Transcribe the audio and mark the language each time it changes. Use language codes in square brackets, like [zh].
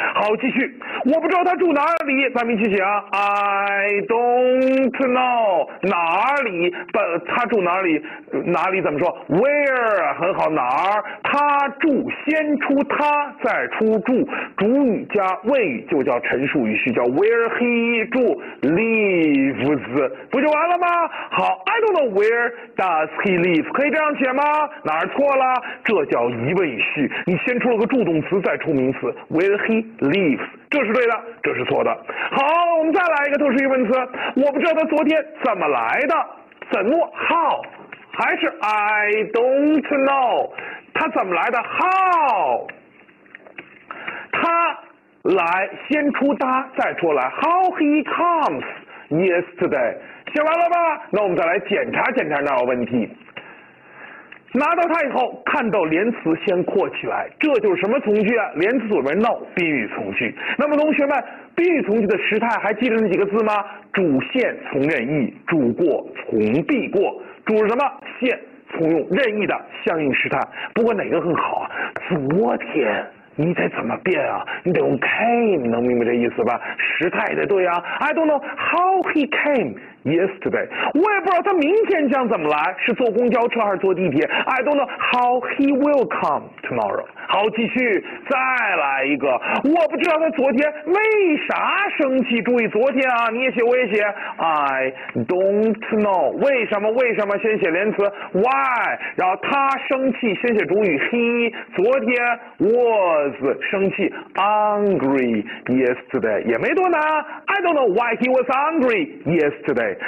[zh] 好，继续，我不知道他住哪里，咱们一起写啊， [en] I don't know [zh] 哪里，他住哪里，哪里怎么说 where， 很好，哪儿，他住，先出他再出住，主语加谓语就叫陈述语序，叫 [en] where he [zh] 住 lives， 不就完了吗？好， [en] I don't know where does he leave， [zh] 可以这样写吗？哪儿错了，这叫疑问语序，你先出了个助动词再出名词， [en] where he leaves， [zh] 这是对的，这是错的。好，我们再来一个特殊疑问词，我不知道他昨天怎么来的，怎么 how， 还是 [en] I don't know， [zh] 他怎么来的 how， 他来，先出他再出来， [en] how he comes yesterday， [zh] 写完了吧？那我们再来检查检查哪有问题。拿到它以后，看到连词先括起来，这就是什么从句啊？连词左边 no， 宾语从句。那么同学们，宾语从句的时态还记得那几个字吗？主线从任意，主过从必过，主是什么？线从用任意的相应时态。不过哪个更好啊？昨天。你得怎么变啊，你得用 came， 能明白这意思吧，时态得对啊。 [en] I don't know how he came yesterday， [zh] 我也不知道他明天将怎么来，是坐公交车还是坐地铁。 [en] I don't know how he will come tomorrow。 [zh] 好，继续，再来一个，我不知道他昨天为啥生气，注意昨天啊，你也写我也写， [en] I don't know， [zh] 为什么为什么，先写连词 why， 然后他生气先写主语 he， 昨天 was 生气 angry yesterday， 也没多难， [en] I don't know why he was angry yesterday。